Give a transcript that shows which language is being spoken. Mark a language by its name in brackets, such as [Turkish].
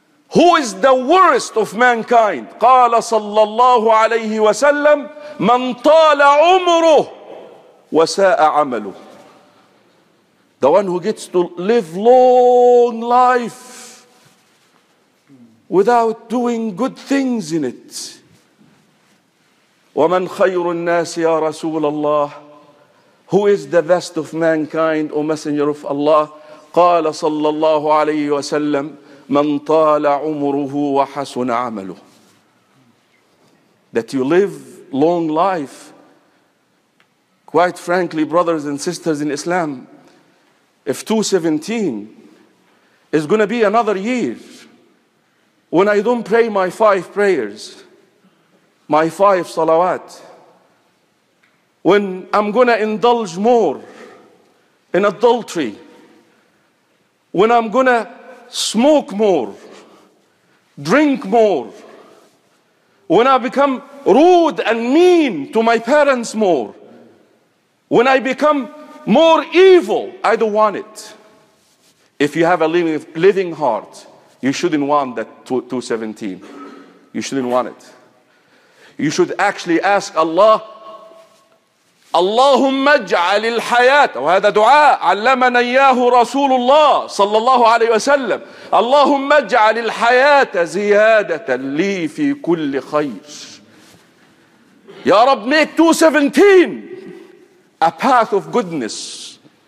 [English] Who is the worst of mankind? [Arabic] قال صلى الله عليه وسلم, من طال عمره وساء عمله. [English] The one who gets to live long life without doing good things in it. [Arabic] ومن خير الناس يا رسول الله? [English] Who is the best of mankind, O Messenger of Allah? [Arabic] قال صلى الله عليه وسلم من طال عمره وحسن عمله. [English] That you live long life. Quite frankly, brothers and sisters in Islam, if 217 is going to be another year when I don't pray my 5 prayers, my 5 salawat, when I'm gonna indulge more in adultery, when I'm gonna smoke more, drink more, when I become rude and mean to my parents more, when I become more evil, I don't want it. If you have a living heart, you shouldn't want that 217. You shouldn't want it. You should actually ask Allah, [Arabic] اللهم اجعل الحياة وهذا دعاء علمنا إياه رسول الله صلى الله عليه وسلم اللهم اجعل الحياة زيادة لي في كل خير يا رب [English] make 217 a path of goodness